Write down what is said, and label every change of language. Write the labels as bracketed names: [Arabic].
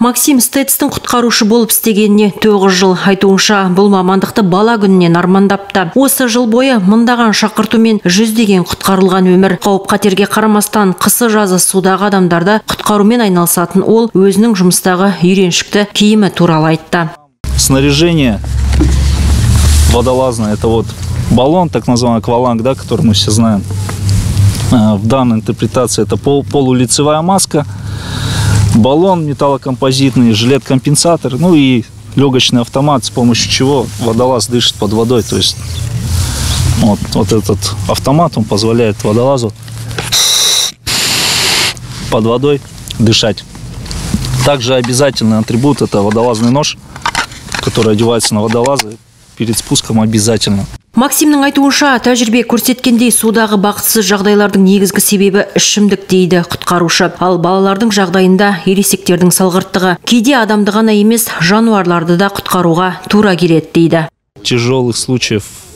[Kazakh] Максим Стецтің құтқарушы болып істегеніне 9 жыл. Айтуынша, бұл мамандықты бала күнінен армандапты. Осы жыл бойы мыңдаған шақыртумен жүздеген құтқарушы қарылған өмір қауіп-қатерге қарамастан қысы жазы судағы адамдарды құтқарумен айналысатын ол өзінің жұмыстағы үйреншікті киімі туралы айтты. [Russian] Снаряжение водолазное, это вот баллон, так называемый акваланг, да, который мы все знаем. В данной интерпретации это полулицевая маска, баллон металлокомпозитный, жилет-компенсатор, ну и легочный автомат, с помощью чего водолаз дышит под водой, то есть... Вот этот автомат, он позволяет водолазу под водой дышать. Также обязательный атрибут – это водолазный нож, который одевается на водолаза перед спуском обязательно. [Kazakh] Максимнің айтуынша, тәжірибе көрсеткендей судағы бақытсыз жағдайлардың негізгі себебі ішімдік дейді құтқарушы. Ал балалардың жағдайында ересектердің салғырттығы. Кейде адамды ғана емес, жануарларды да құтқаруға тура келеді дейді. [Russian] Тяжелых случаев.